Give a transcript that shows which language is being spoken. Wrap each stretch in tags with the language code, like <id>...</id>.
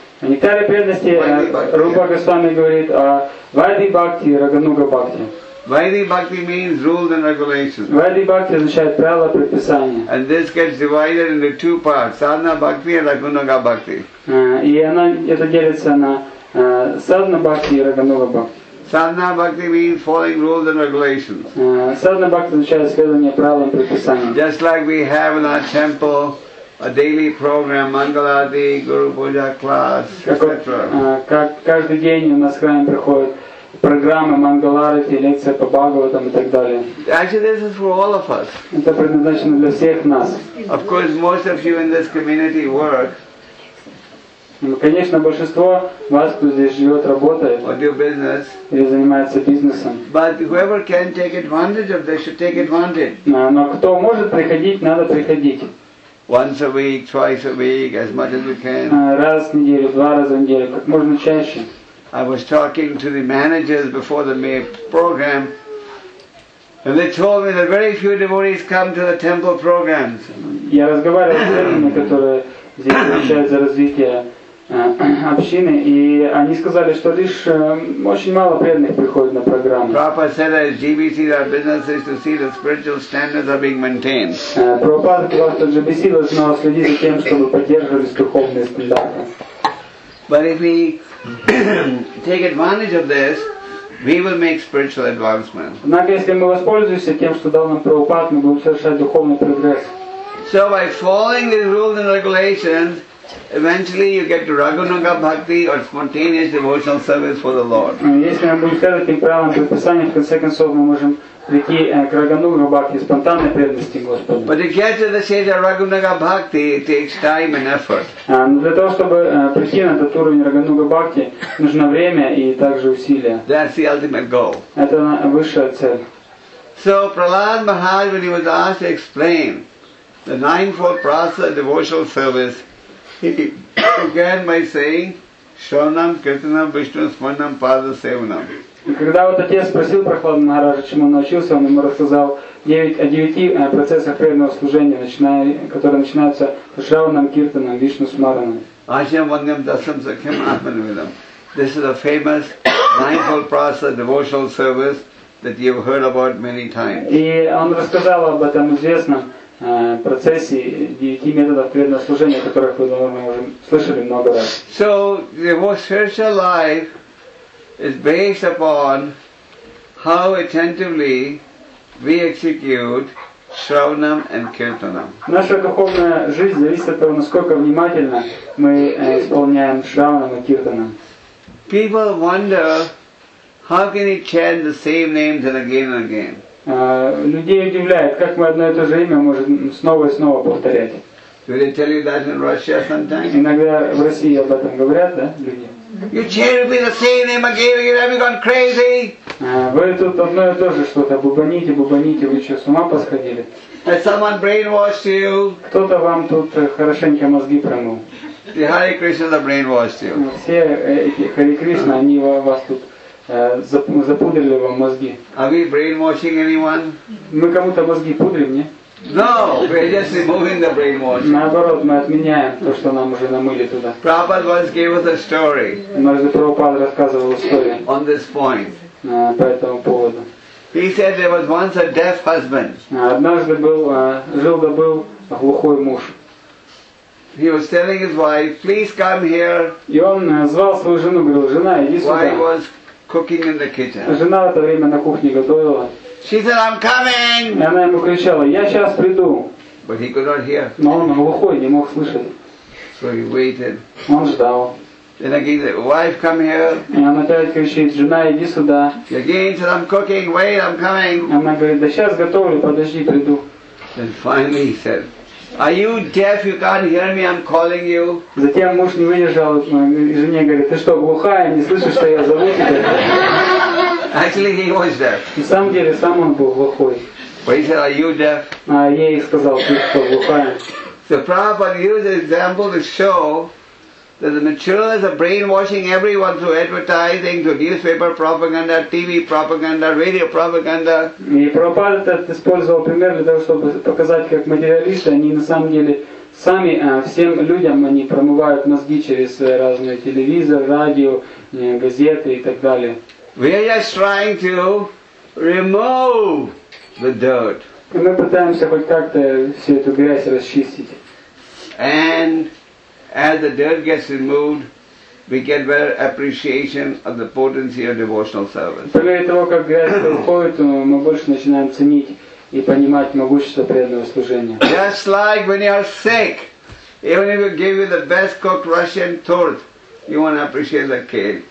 <ru>В Нектаре преданности Рупа Госвами говорит о Вайди Бхакти и Рагануга Бхакти.</ru> <en>Vaidhi bhakti means rules and regulations.</en> <ru>Vaidhi bhakti означает правила и предписания.</ru> <en>And this gets divided into two parts, sadhana bhakti and ragunuga bhakti.</en> <ru>И она это делится на sadhana bhakti и ragunuga bhakti.</ru> <en>Sadhana bhakti means following rules and regulations.</en> <ru>Sadhana bhakti означает следование правилам и предписаниям.</ru> <en>Just like we have in our temple a daily program, Mangaladi, Guru Puja class, etc.</en> <ru>Как каждый день у нас в храме приходит программы Мангаларити, лекция по Бхагаватам и так далее.</ru> <en>Actually, this is for all of us.</en> <ru>Это предназначено для всех нас.</ru> <en>Of course, most of you in this community work.</en> <ru>Конечно, большинство вас, кто здесь живет, работает.</ru> <en>Or do business.</en> <ru>Или занимается бизнесом.</ru> <en>But whoever can take advantage of this should take advantage.</en> <ru>Но кто может приходить, надо приходить.</ru> <en>Once a week, twice a week, as much as we can.</en> <ru>Раз в неделю, два раза в неделю, как можно чаще.</ru> <en>I was talking to the managers before the May program, and they told me that very few devotees come to the temple programs.</en> <ru>Я разговаривал с людьми, которые здесь отвечают за развитие общины, и они сказали, что лишь очень мало преданных приходит на программы.</ru> <en>Prabhupada said that as GBC, our business is to see the spiritual standards are being maintained.</en> <ru>Prabhupada сказал, что GBC должно следить за тем, чтобы поддерживались духовные стандарты.</ru> <en>But if we take advantage of this, we will make spiritual advancement.</en> <ru>Однако, если мы воспользуемся тем, что дал нам Прабхупад, мы будем совершать духовный прогресс.</ru> <en>So by following the rules and regulations, eventually you get to Ragunuga Bhakti or spontaneous devotional service for the Lord.</en> <ru>Если мы будем следовать этим правилам предписания, в конце концов мы можем прийти к Рагануга Бхакти, спонтанной преданности Господу.</ru> <en>But to get to the stage of Ragunuga Bhakti, it takes time and effort.</en> <ru>Для того, чтобы прийти на этот уровень Рагануга Бхакти, нужно время и также усилия.</ru> <en>That's the ultimate goal.</en> <ru>Это высшая цель.</ru> <en>So Prahlad Maharaj, when he was asked to explain the ninefold process of devotional service, he began by saying,</en> <sa>Shravanam, Kirtanam, Vishnu, Smaranam, Pada, Sevanam.</sa> <ru>И когда вот отец спросил Прахлада Махараджа, чему он научился, он ему рассказал о девяти процессах преданного служения, которые начинаются с</ru> <sa>Шраванам, Киртанам, Вишну, Смаранам. Ашьям Вангам Дасам Сакхим Атманвидам.</sa> <en>This is a famous ninefold process devotional service that you've heard about many times.</en> <ru>И он рассказал об этом известном процессе девяти методов преданного служения, о которых мы уже слышали много раз.</ru> <en>So, the spiritual life is based upon how attentively we execute Shravanam and Kirtanam.</en> <ru>Наша духовная жизнь зависит от того, насколько внимательно мы исполняем Шраванам и Киртанам.</ru> <en>People wonder, how can he chant the same names again and again?</en> <ru>Людей удивляет, как мы одно и то же имя можем снова и снова повторять.</ru> <en>Do they tell you that in Russia sometimes?</en> <ru>Иногда в России об этом говорят, да, люди?</ru> <en>You chant the same name again and again, gone crazy?</en> <ru>Вы тут одно и то же что-то бубоните, бубоните, вы что, с ума посходили?</ru> <en>Has someone brainwashed you?</en> <ru>Кто-то вам тут хорошенько мозги промыл.</ru> <en>The Hare Krishna brainwashed you.</en> <ru>Все эти Hare Krishna, они вас тут запудрили вам мозги.</ru> <en>Are we brainwashing anyone?</en> <ru>Мы кому-то мозги пудрим, не?</ru> <en>No, we are just removing the brainwashing.</en> <ru>Наоборот, мы отменяем то, что нам уже намыли туда.</ru> <en>Prabhupada once gave us a story.</en> <ru>Однажды Прабхупада рассказывал историю.</ru> <en>On this point.</en> <ru>По этому поводу.</ru> <en>He said there was once a deaf husband.</en> <ru>Однажды был жил да был глухой муж.</ru> <en>He was telling his wife, please come here.</en> <ru>И он звал свою жену, говорил, жена, иди сюда.</ru> <en>Wife was cooking in the kitchen.</en> <ru>Жена в это время на кухне готовила.</ru> <en>She said, I'm coming.</en> <ru>И она ему кричала, я сейчас приду.</ru> <en>But he could not hear.</en> <ru>Но он глухой, не мог слышать.</ru> <en>So he waited.</en> <ru>Он ждал.</ru> <en>Then again, the wife come here.</en> <ru>И она опять кричит, жена, иди сюда.</ru> <en>He again said, I'm cooking, wait, I'm coming.</en> <ru>И она говорит, да сейчас готовлю, подожди, приду.</ru> <en>Then finally he said, are you deaf? You can't hear me. I'm calling you.</en> <ru>Затем муж не выдержал, жене говорит, ты что, глухая, не слышишь, что я зову тебя?</ru> <en>Actually, he was deaf.</en> <ru>На самом деле, сам он был глухой.</ru> <en>But he said, are you deaf?</en> <ru>А ей сказал, ты что, глухая?</ru> <en>So Prabhupada used an example to show that the materialists are brainwashing everyone through advertising, through newspaper propaganda, TV propaganda, radio propaganda.</en> <ru>И Прабхупада этот использовал пример для того, чтобы показать, как материалисты, они на самом деле сами всем людям они промывают мозги через разные телевизор, радио, газеты и так далее.</ru> <en>We are just trying to remove the dirt.</en> <ru>Мы пытаемся хоть как-то всю эту грязь расчистить.</ru> <en>And as the dirt gets removed, we get better appreciation of the potency of devotional service.</en> <ru>После того, как грязь уходит, мы больше начинаем ценить и понимать могущество преданного служения.</ru> <en>Just like when you are sick, even if we give you the best cooked Russian torte, you want to appreciate the cake.</en>